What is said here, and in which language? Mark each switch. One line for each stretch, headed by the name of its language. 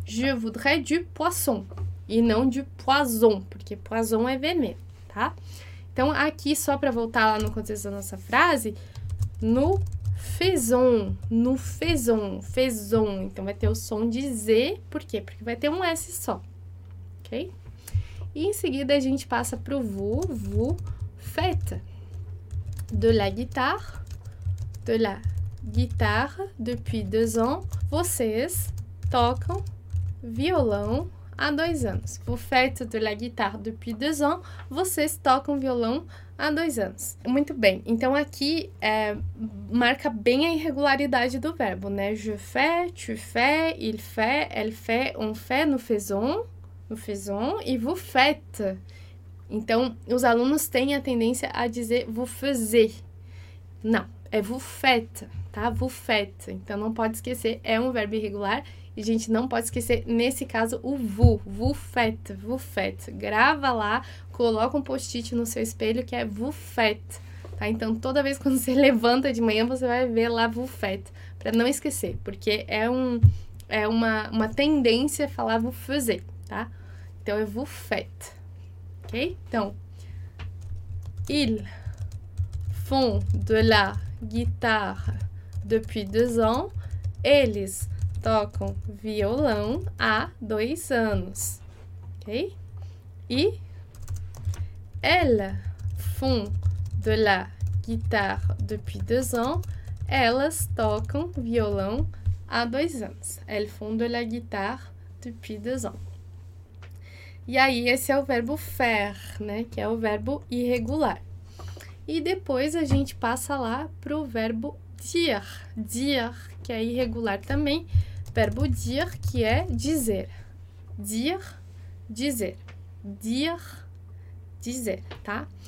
French: Je voudrais du poisson
Portuguese: e não de poison, porque poison é veneno, tá? Então, aqui só para voltar lá no contexto da nossa frase, no Faison, no faison, faison. Então, vai ter o som de Z. Por quê? Porque vai ter um S só. Ok? E em seguida, a gente passa para o vous.
French: Vous faites de la guitare depuis 2 ans.
Portuguese: Vocês tocam violão há 2 anos.
French: Vous faites de la guitare depuis 2 ans.
Portuguese: Vocês tocam violão há 2 anos. Muito bem. Então, aqui marca bem a irregularidade do verbo, né?
French: Je fais, tu fais, il fait, elle fait, on fait, nous faisons e vous faites.
Portuguese: Então, os alunos têm a tendência a dizer
French: vous faisiez.
Portuguese: Não, é
French: vous faites,
Portuguese: tá?
French: Vous faites.
Portuguese: Então, não pode esquecer, é um verbo irregular e a gente não pode esquecer, nesse caso, o vous.
French: Vous faites, vous faites.
Portuguese: Grava lá, coloca um post-it no seu espelho que é
French: vous faites,
Portuguese: tá? Então, toda vez quando você levanta de manhã, você vai ver lá
French: vous faites,
Portuguese: para não esquecer, porque é uma tendência a falar
French: vous faisiez,
Portuguese: tá? Então, é
French: vous faites.
Portuguese: Ok?
French: Então, ils font de la guitare depuis 2 ans.
Portuguese: Eles tocam violão há 2 anos. Ok?
French: E elles font de la guitare depuis 2 ans.
Portuguese: Elas tocam violão há 2 anos.
French: Elles font de la guitare depuis 2 ans.
Portuguese: E aí, esse é o verbo faire, né? Que é o verbo irregular. E depois a gente passa lá para o verbo dire. Dire, que é irregular também. Verbo dire, que é dizer. Dire, dizer. Dire, dizer, tá?